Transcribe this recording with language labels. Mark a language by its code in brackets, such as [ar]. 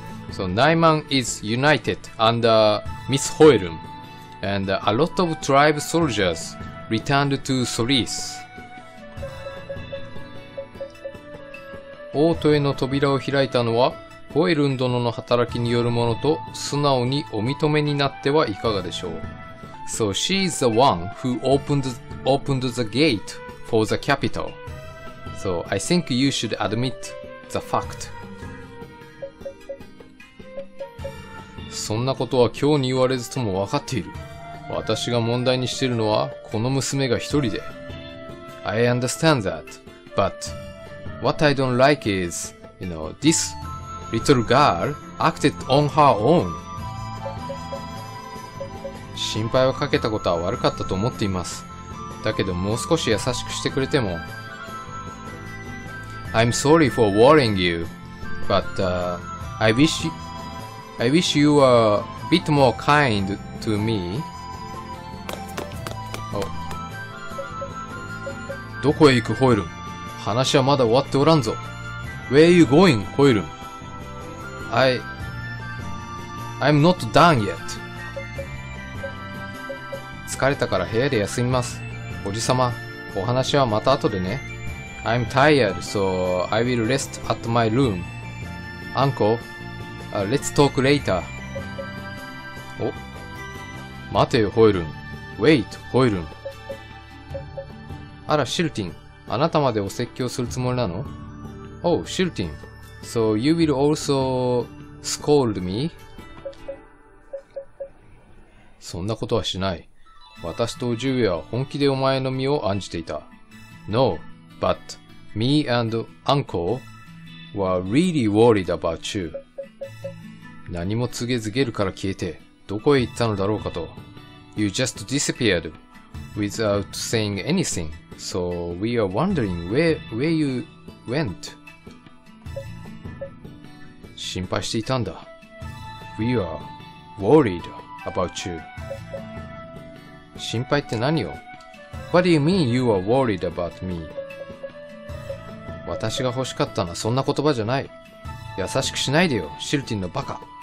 [en] So, Naiman is united under Miss Hoirun, and a lot of tribe soldiers returned to Solis. [ja] 王都への扉を開いたのは、ホエルン殿の働きによるものと素直にお認めになってはいかがでしょう。 [en] So she is the one who opened the gate for the capital. So I think you should admit the fact. [ja] そんなことは今日に言われずともわかっている。私が問題にしているのは、この娘が一人で。 [en] I understand that, but... What I don't like is, you know, this little girl acted on her own. [ja] 心配をかけたことは悪かったと思っています。だけどもう少し優しくしてくれても。 [en] I'm sorry for worrying you, but I wish you were a bit more kind to me.、 [ja] どこへ行く、ホイル? 話はまだ終わっておらんぞ。 [en] Where are you going, Hoirun? I'm not done yet. [ja] 疲れたから部屋で休みます。おじさま、お話はまた後でね。 [en] I'm tired, so I will rest at my room. Uncle, let's talk later. [ja] お、待てよホイルン。 [en] Wait, [ja] ホイルン。あら、シルティン、あなたまでお説教するつもりなの？ [en] Oh, シルティン、 so you will also scold me? [ja] そんなことはしない。私とジュウィは本気でお前の身を案じていた。 [en] No, but me and uncle were really worried about you. [ja] 何も告げずゲルから消えて、どこへ行ったのだろうかと。 [en] You just disappeared without saying anything, so we are wondering where you went. [ja] 心配していたんだ。 [en] We are worried about you. [ja] 心配って何よ？ [en] What do you mean you are worried about me? [ja] 私が欲しかったのはそんな言葉じゃない。優しくしないでよ、シルティンのバカ。